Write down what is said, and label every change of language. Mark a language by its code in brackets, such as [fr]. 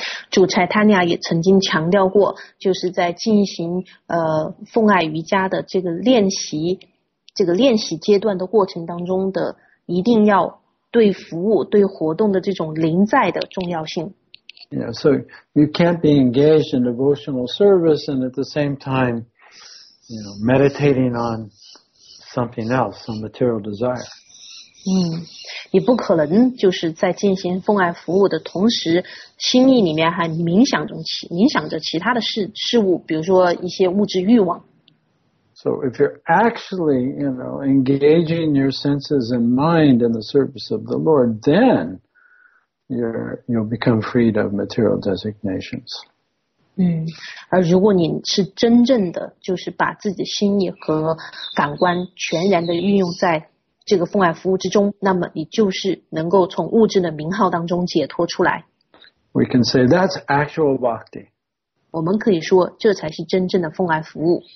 [zh] 主 Chaitanya 也曾经强调过，就是在进行奉爱瑜伽的这个练习阶段的过程当中的，一定要对服务、对活动的这种临在的重要性。 [en] Yeah, so you can't be engaged in devotional service and at the same time, you know, meditating on. Something else, some material desire. [zh] 你不可能就是在进行奉爱服务的同时，心意里面还冥想着其他的事物，比如说一些物质欲望。 [en] So if you're actually, you know, engaging your senses and mind in the service of the Lord, then you'll become freed of material designations. [zh] 而如果你是真正的就是把自己的心意和感官全然的运用在这个奉爱服务之中，那么你就是能够从物质的名号当中解脱出来。 [en] We can say that's actual bhakti. [zh] 我们可以说这才是真正的奉爱服务。